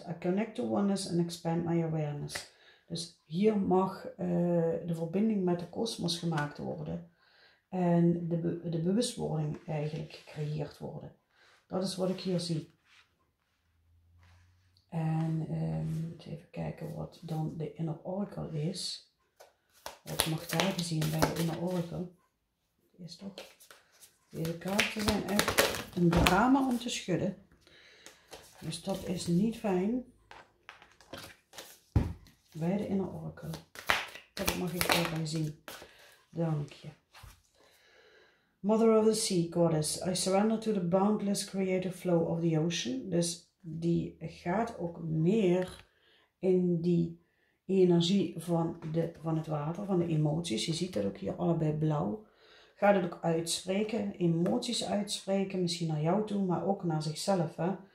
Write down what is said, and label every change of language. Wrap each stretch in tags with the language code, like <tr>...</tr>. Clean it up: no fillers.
<en>I connect to oneness and expand my awareness.</en> <nl>Dus hier mag de verbinding met de kosmos gemaakt worden. En de bewustwording eigenlijk gecreëerd worden. Dat is wat ik hier zie. En even kijken wat dan de inner oracle is. Wat mag daar gezien bij de inner oracle? Is toch? Deze kaarten zijn echt een drama om te schudden. Dus dat is niet fijn. Bij de inner oracle. Dat mag ik erbij zien. Dank je.</nl> <en>Mother of the Sea, Goddess, I surrender to the boundless creative flow of the ocean.</en> <nl>Dus die gaat ook meer in die energie van het water, van de emoties. Je ziet dat ook hier allebei blauw. Gaat het ook uitspreken, emoties uitspreken, misschien naar jou toe, maar ook naar zichzelf. Hè?</nl>